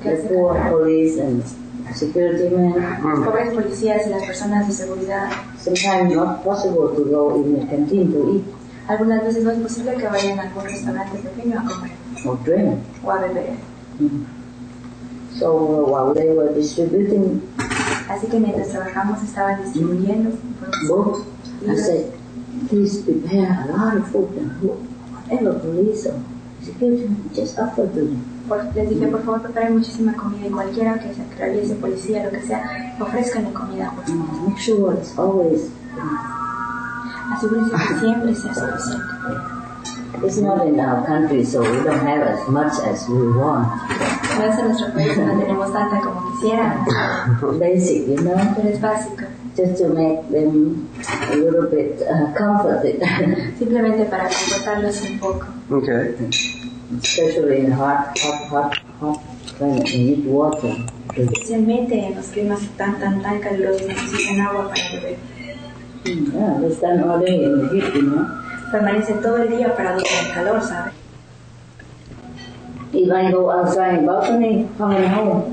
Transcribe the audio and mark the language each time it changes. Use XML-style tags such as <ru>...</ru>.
<en>The poor police and security men.</en> <es>Pobres policías y las personas de seguridad.</es> <en>Sometimes not possible to go in a canteen to eat.</en> <es>Algunas veces no es posible que vayan a algún restaurante pequeño a comer.</es> <en>Or drink.</en> <es>O a beber.</es> <en>So while they were distributing.</en> <es>Así que mientras trabajamos estaban distribuyendo.</es> <en>Books. I said, please prepare a lot of food. And whatever police or security men, just offer to them.</en> <es>Les dije, por favor, preparen muchísima comida y cualquiera que se atraviese, policía, lo que sea, ofrezcanle comida.</es> <en>Make sure it's always.</en> <es>Asegúrense que siempre sea suficiente.</es> <en>It's not in our country, so we don't have as much as we want.</en> <es>No es en nuestro país, no tenemos tanta como quisiera.</es> <en>Basic, you know?</en> <es>Pero es básico.</es> <en>Just to make them a little bit comforted.</en> <es>Simplemente para confortarlos un poco.</es> <en>Okay. Especially in hot climate, you need water.</en> <es>Especialmente en los climas tan calurosos, necesitan agua para beber.</es> <en>Yeah, they stand all day in the heat, you know.</en> <es>Permanece todo el día para dormir el calor, ¿sabe?</es> <en>If I go outside the balcony, I'm going home.</en>